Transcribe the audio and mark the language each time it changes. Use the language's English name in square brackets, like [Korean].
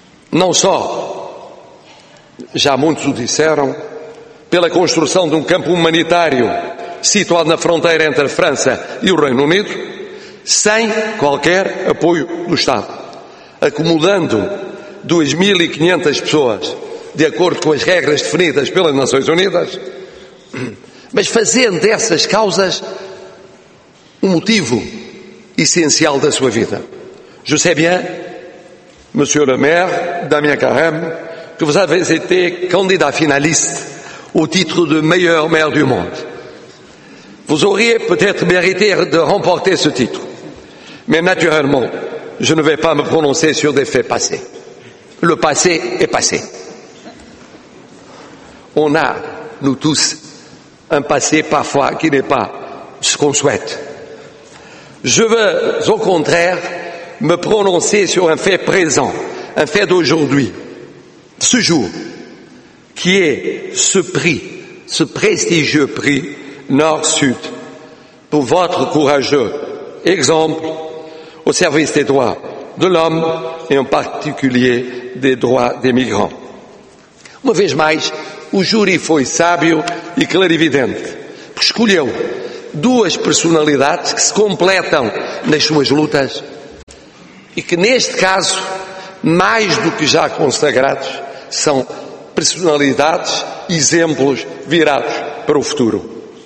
[Portuguese] Não só, já muitos o disseram, pela construção de um campo humanitário situado na fronteira entre a França e o Reino Unido, sem qualquer apoio do Estado, acomodando 2.500 pessoas de acordo com as regras definidas pelas Nações Unidas, mas fazendo dessas causas um motivo essencial da sua vida. [French] Je sais bien, Monsieur le Maire, Damien Carême, que vous avez été candidat finaliste au titre de meilleur maire du monde. Vous auriez peut-être mérité de remporter ce titre, mais naturellement, je ne vais pas me prononcer sur des faits passés. Le passé est passé. On a, nous tous, un passé parfois qui n'est pas ce qu'on souhaite. Je veux, au contraire, me prononcer sur un fait présent, un fait d'aujourd'hui, ce jour, qui est ce prix, ce prestigieux prix Nord-Sud, pour votre courageux exemple au service des droits de l'homme et en particulier des droits des migrants. [Portuguese] Uma vez mais, o júri foi sábio e clarividente, porque escolheu duas personalidades que se completam nas suas lutas e que neste caso, mais do que já consagrados, são personalidades, exemplos virados para o futuro.